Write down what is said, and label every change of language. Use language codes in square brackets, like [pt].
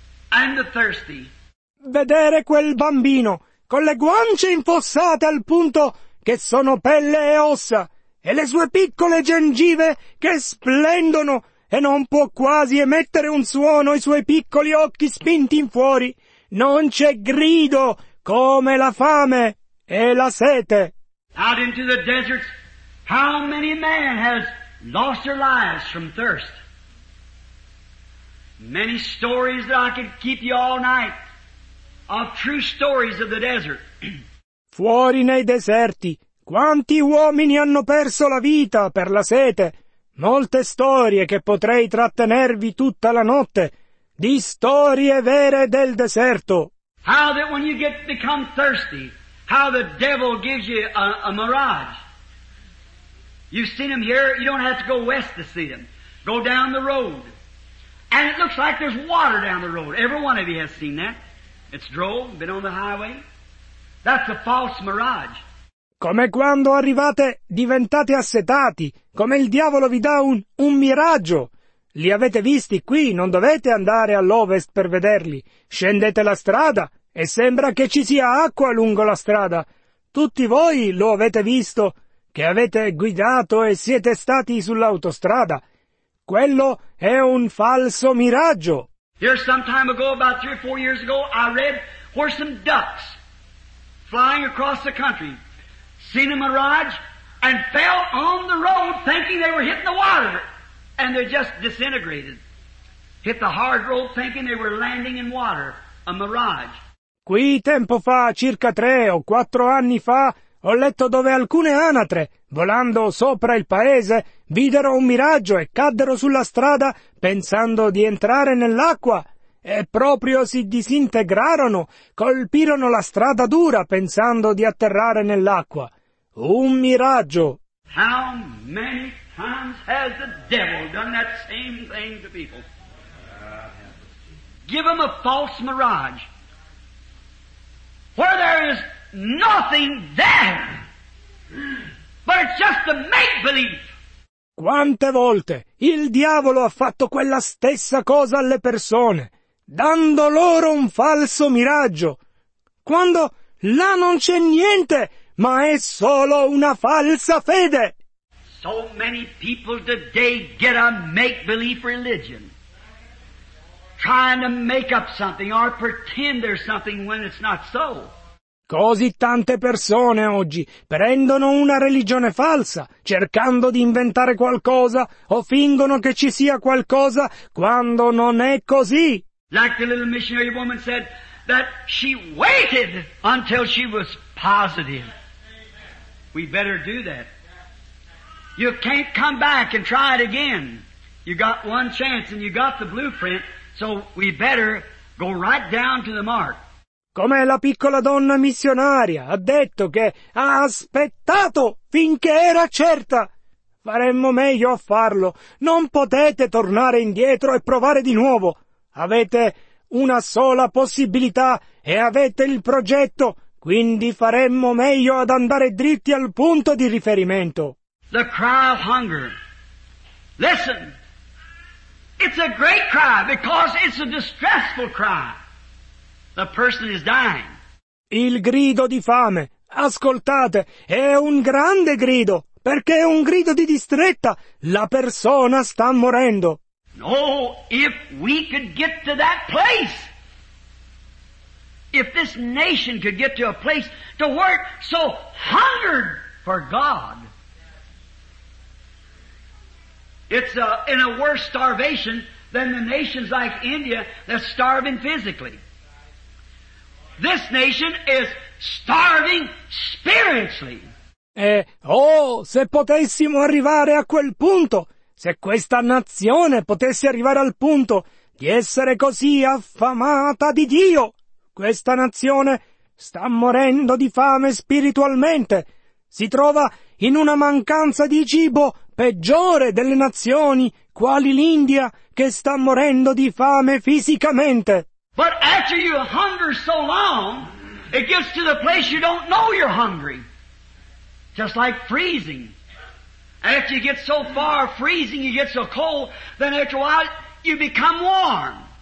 [en] And the thirsty. [it] Vedere quel bambino con le guance infossate al punto che sono pelle e ossa, e le sue piccole gengive che splendono e non può quasi emettere un suono, i suoi piccoli occhi spinti in fuori, non c'è grido come la fame e la sete. [en] Out into the deserts, how many men has lost their lives from thirst? Many stories that I could keep you all night of true stories of the desert. [it] Fuori nei deserti, quanti uomini hanno perso la vita per la sete? Molte storie che potrei trattenervi tutta la notte, di storie vere del deserto. [en] How that when you get become thirsty, how the devil gives you a mirage. You've seen him here, you don't have to go west to see him. Go down the road. And it looks like there's water down the road. Every one of you has seen that. It's drove, been on the highway. That's a false mirage. [it] Come quando arrivate, diventate assetati. Come il diavolo vi dà un miraggio. Li avete visti qui, non dovete andare all'ovest per vederli. Scendete la strada e sembra che ci sia acqua lungo la strada. Tutti voi lo avete visto, che avete guidato e siete stati sull'autostrada. Quello è un falso miraggio. [en] Here some time ago, about 3 or 4 years ago, I read where some ducks flying across the country seen a mirage and fell on the road thinking they were hitting the water. And they just disintegrated. Hit the hard road thinking they were landing in water. A mirage. [it] Qui tempo fa, circa 3 o 4 anni fa, ho letto dove alcune anatre, volando sopra il paese, videro un miraggio e caddero sulla strada pensando di entrare nell'acqua. E proprio si disintegrarono, colpirono la strada dura pensando di atterrare nell'acqua. Un miraggio. [en] How many times has the devil done that same thing to people? Give them a false mirage. Where there is nothing there, but it's just a make-believe. [it] Quante volte il diavolo ha fatto quella stessa cosa alle persone, dando loro un falso miraggio, quando là non c'è niente, ma è solo una falsa fede. [en] So many people today get a make-believe religion, trying to make up something or pretend there's something when it's not so. [it] Così tante persone oggi prendono una religione falsa, cercando di inventare qualcosa, o fingono che ci sia qualcosa, quando non è così. [en] Like the little missionary woman said, that she waited until she was positive. We better do that. You can't come back and try it again. You got one chance and you got the blueprint, so we better go right down to the mark. [it] Come la piccola donna missionaria ha detto che ha aspettato finché era certa. Faremmo meglio a farlo. Non potete tornare indietro e provare di nuovo. Avete una sola possibilità e avete il progetto, quindi faremmo meglio ad andare dritti al punto di riferimento. [en] The cry of hunger. Listen. It's a great cry because it's a distressful cry. The person is dying. [it] Il grido di fame. Ascoltate, è un grande grido, perché è un grido di distretta. La persona sta morendo. [en] No, if we could get to that place. If this nation could get to a place to where it's so hungered for God. It's in a worse starvation than the nations like India that's starving physically. This nation is starving spiritually. [it] Se potessimo arrivare a quel punto, se questa nazione potesse arrivare al punto di essere così affamata di Dio, questa nazione sta morendo di fame spiritualmente, si trova in una mancanza di cibo peggiore delle nazioni, quali l'India, che sta morendo di fame fisicamente. [en] But after you hunger so long, it gets to the place you don't know you're hungry. Just like freezing. After you get so far freezing, you get so cold, then after a while, you become warm.